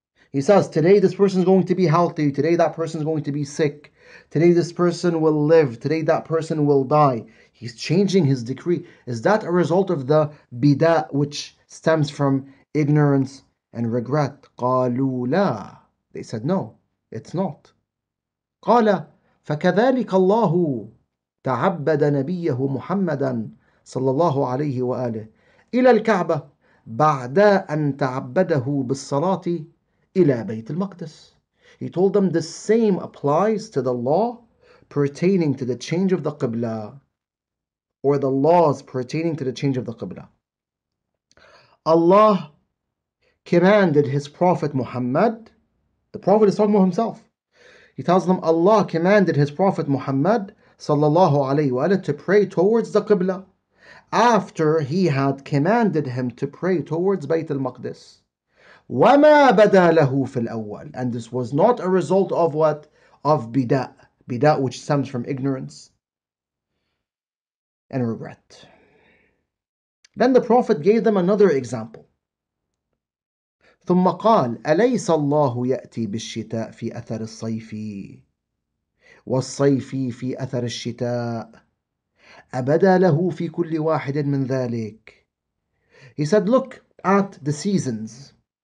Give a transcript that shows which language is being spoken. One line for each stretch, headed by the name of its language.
English: He says, today this person is going to be healthy. Today that person is going to be sick. Today this person will live. Today that person will die. He's changing his decree. Is that a result of the bid'ah, which stems from ignorance and regret?
Arabic: قالوا لا.
English: They said, no, it's not.
Arabic: قال فكذلك الله تعبد نبيه محمدا صلى الله عليه وآله إلى الكعبة بعد أن تعبده بالصلاة إلى بيت المقدس.
English: He told them the same applies to the law pertaining to the change of the Qibla, or the laws pertaining to the change of the Qibla. Allah commanded his prophet Muhammad. The prophet is talking about himself. He tells them Allah commanded his prophet Muhammad sallallahu alayhi wa alayhi, to pray towards the Qibla after he had commanded him to pray towards Bayt al-Maqdis.
Arabic: وَمَا بَدَى لَهُ فِي الْأَوَّلِ.
English: And this was not a result of what? Of bid'ah. Bid'ah, which stems from ignorance and regret. Then the Prophet gave them another example.
Arabic: ثُمَّ قَالْ أَلَيْسَ اللَّهُ يَأْتِي بِالشِّتَاءِ فِي أَثَرِ الصَّيْفِ وَالصَّيْفِ فِي أَثَرِ الشِّتَاءِ أَبَدَى لَهُ فِي كُلِّ وَاحِدٍ مِّن ذَلِكِ.
English: He said, look at the seasons.